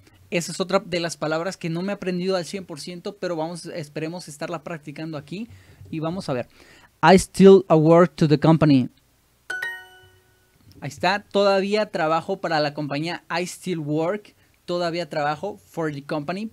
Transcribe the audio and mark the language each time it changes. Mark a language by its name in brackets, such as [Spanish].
[Spanish] Esa es otra de las palabras que no me he aprendido al 100%, pero vamos, esperemos estarla practicando aquí. Y vamos a ver. [English] I still work to the company. [Spanish] Ahí está. Todavía trabajo para la compañía. [English] I still work. [Spanish] Todavía trabajo [English] for the company.